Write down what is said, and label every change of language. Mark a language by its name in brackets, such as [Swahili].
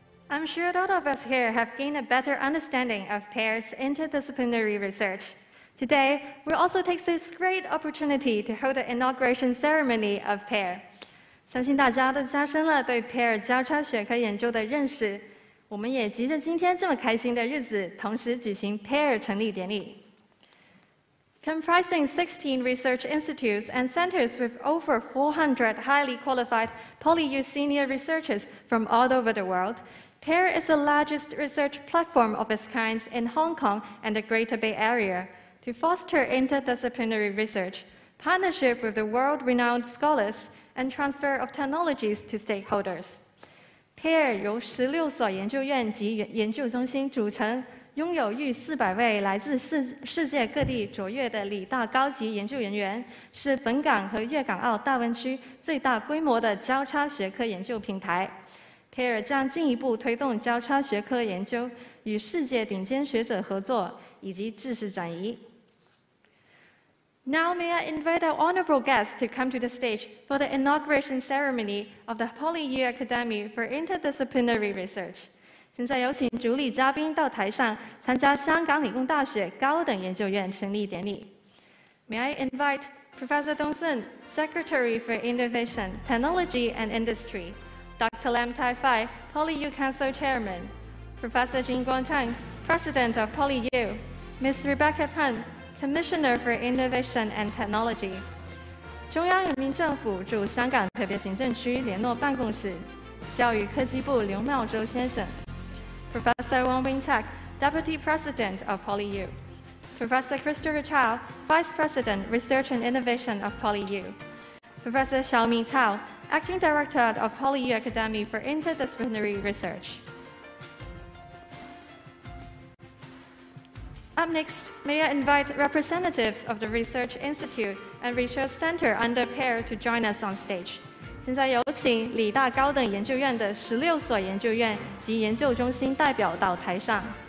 [English] I'm sure all of us here have gained a better understanding of PAIR's interdisciplinary research. Today, we'll also take this great opportunity to hold the inauguration ceremony of PAIR. [Chinese] 相信大家都加深了对 PAIR 交叉学科研究的认识。我们也急着今天这么开心的日子同时举行 PAIR 成立典礼。 [English] Comprising 16 research institutes and centers with over 400 highly qualified PolyU senior researchers from all over the world,PAIR is the largest research platform of its kind in Hong Kong and the Greater Bay Area. To foster interdisciplinary research, partnership with the world-renowned scholars, and transfer of technologies to stakeholders. [Chinese] PAIR 由16所研究院及研究中心组成，拥有逾400位来自世界各地卓越的理大高级研究人员，是本港和粤港澳大湾区最大规模的交叉学科研究平台。 PAIR 将进一步推动交叉学科研究，与世界顶尖学者合作，以及知识转移。 [English] Now may I invite our honorable guests to come to the stage for the inauguration ceremony of the PolyU Academy for Interdisciplinary Research. [Chinese] 现在有请主理嘉宾到台上参加香港理工大学高等研究院成立典礼。 [English] May I invite Professor Dong Sun, Secretary for Innovation, Technology and Industry, Dr. Lam Tai Fai, PolyU Council Chairman, Professor Jin Guang Tang, President of PolyU, Ms. Rebecca Pan, Commissioner for Innovation and Technology. [Chinese] 中央人民政府驻香港特别行政区联络办公室，教育科技部刘茂洲先生 [English] ，Professor Wong Wing Tech, Deputy President of PolyU, Professor Christopher Chow, Vice President, Research and Innovation of PolyU, Professor Xiaoming Tao, Acting Director of PolyU Academy for Interdisciplinary Research. Up next, may I invite representatives of the Research Institute. And Research Center under PAIR to join us on stage. [Chinese] 现在有请理大高等研究院的十六所研究院及研究中心代表到台上。